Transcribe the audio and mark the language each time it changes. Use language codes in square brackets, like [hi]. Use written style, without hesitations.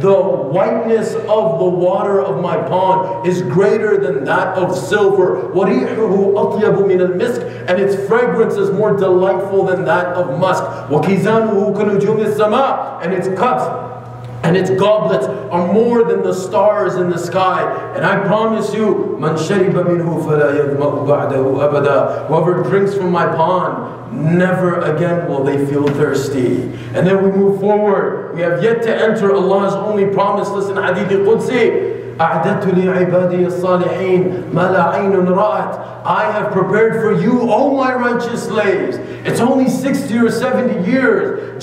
[en] The whiteness of the water of my pond is greater than that of silver. [ar] وَرِيحُهُ أَطْيَبُ مِنَ الْمِسْكِ. [en] And its fragrance is more delightful than that of musk. [ar] وَكِزَانُهُ كَنُجُومِ السَّمَاءِ. [en] And its cups and its goblets are more than the stars in the sky. And I promise you, [ar] مَنْ شَرِبَ مِنْهُ فَلَا يَذْمَأُ بَعْدَهُ أَبَدًا. [en] Whoever drinks from my pond, never again will they feel thirsty. And then we move forward. We have yet to enter Allah's only promise. Listen, [ar] Hadith Qudsi. أَعْدَتُ لِعِبَادِيَ الصَّالِحِينَ مَا لَا عَيْنٌ رَأَتْ. [en] I have prepared for you, O my righteous slaves. It's only 60 or 70 years.